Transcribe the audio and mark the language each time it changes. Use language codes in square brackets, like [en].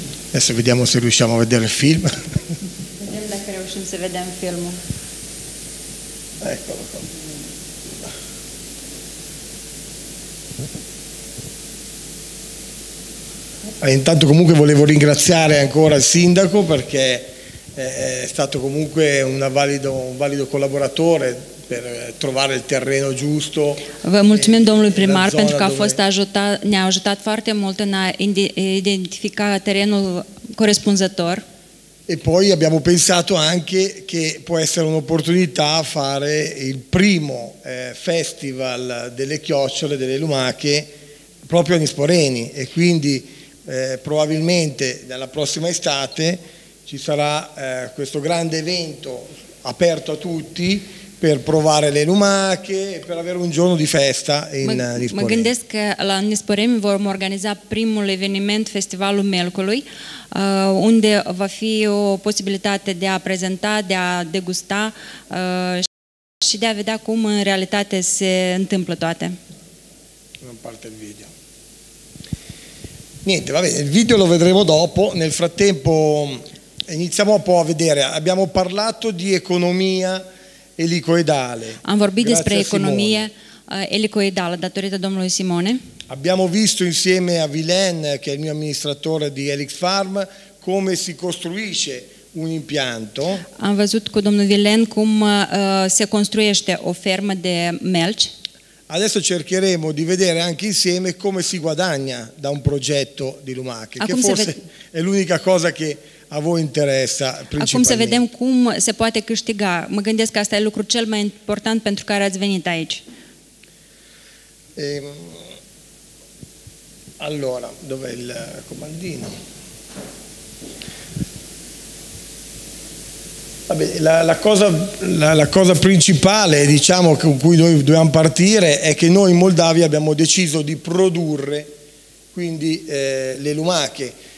[it] Adesso vediamo se riusciamo a vedere il film. Vediamo [ro] dacă reușim să vedem filmul. [it] Eccolo. Intanto comunque volevo ringraziare ancora il sindaco perché è stato comunque un valido collaboratore per trovare il terreno giusto. [ro] Vă mulțumim domnului primar pentru că ne-a ajutat foarte mult în a identifica terenul corespunzător. [it] E poi abbiamo pensato anche che può essere un'opportunità fare il primo festival delle chiocciole, delle lumache proprio a Nisporeni e quindi probabilmente nella prossima estate ci sarà questo grande evento aperto a tutti per provare le lumache e per avere un giorno di festa in Nisporeni. [ro] Mă gândesc că la Nisporeni vom organiza primul eveniment Festivalul Melcului, unde va fi o posibilitate de a prezenta, de a degusta și de a vedea cum în realitate se întâmplă toate. [it] Non parte il video. Niente, va bene, il video lo vedremo dopo, nel frattempo iniziamo un po' a vedere, abbiamo parlato di economia elicoidale. [ro] Am vorbit despre economie elicoidală datorită domnului Simone. [it] Abbiamo visto insieme a Vilen, che è il mio amministratore di Helix Farm, come si costruisce un impianto. [ro] Am văzut cu domnul Vilen cum se construiește o fermă de melci. [it] Adesso cercheremo di vedere anche insieme come si guadagna da un progetto di lumache, [ro] acum [it] che forse è l'unica cosa che a voi interessa principalmente. [ro] Acum să vedem cum se poate câștiga. Mă gândesc că asta e lucru cel mai important pentru care ați venit aici. [it] Allora, dov'è il comandino? Vabbè, la cosa principale, diciamo, con cui noi dobbiamo partire è che noi in Moldavia abbiamo deciso di produrre quindi le lumache.